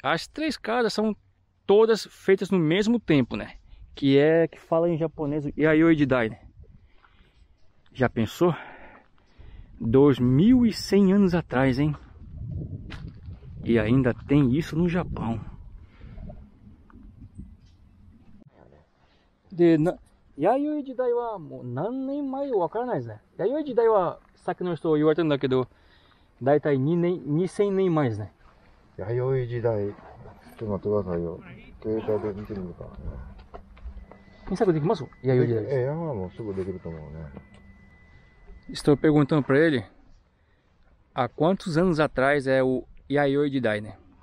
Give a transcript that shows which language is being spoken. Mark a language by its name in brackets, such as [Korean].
[Portuguese] As três casas são todas feitas no mesmo tempo, né? Que é que fala em japonês, Yayoi Jidai. Já pensou? 2.100 anos atrás, hein? E ainda tem isso no Japão. [Japanese] で、弥生時代はもう何年前わからないですね。弥生時代はさっきの人言われてるんだけど、だいたい2000年前ですね。弥生時代、ちょっと待ってくださいよ。携帯で見てみるか検索できます？弥生ね。時代です。山はもうすぐできると思うね。 [Portuguese] Estou perguntando para ele há quantos anos atrás é o Yayoi Jidai, né?